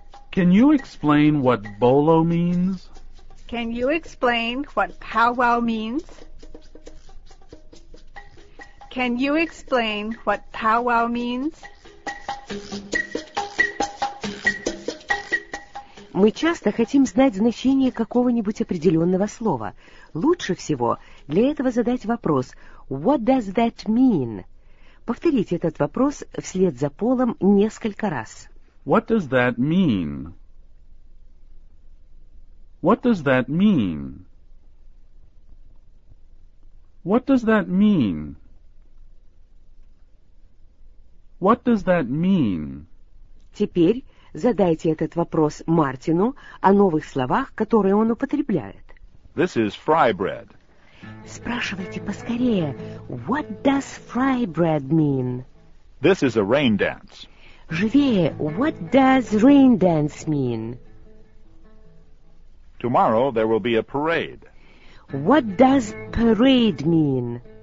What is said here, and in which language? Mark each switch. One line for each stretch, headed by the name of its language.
English: Can you explain what bolo means? Can you explain what powwow means? Can you explain what powwow means?
Russian: Мы часто хотим знать значение какого-нибудь определенного слова. Лучше всего для этого задать вопрос
English: «What does that mean?».
Russian: Повторите этот вопрос вслед за Полом несколько раз.
English: What does that mean? What does that mean? What does that mean? What does that mean?
Russian: Теперь задайте этот вопрос Мартину о новых словах, которые он употребляет.
English: This is fry bread.
Russian: Спрашивайте поскорее.
English: What does fry bread mean? This is a rain dance.
Russian: Живее.
English: What does rain dance mean? Tomorrow there will be a parade. What does parade mean?